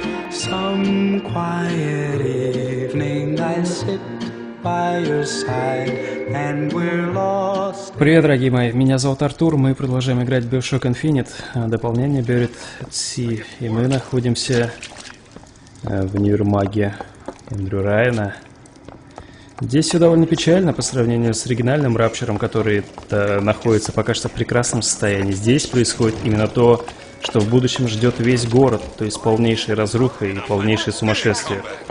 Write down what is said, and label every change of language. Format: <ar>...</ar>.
<en>Some quiet evening I sit by your side and we're lost.</en> <ru>Привет, дорогие мои, меня зовут Артур. Мы продолжаем играть в BioShock Infinite. Дополнение Buried at Sea. И мы находимся в универмаге Эндрю Райана. Здесь все довольно печально по сравнению с оригинальным рапчером, который находится пока что в прекрасном состоянии. Здесь происходит именно то, что в будущем ждет весь город, то есть полнейшая разруха и полнейшее сумасшествие.</ru>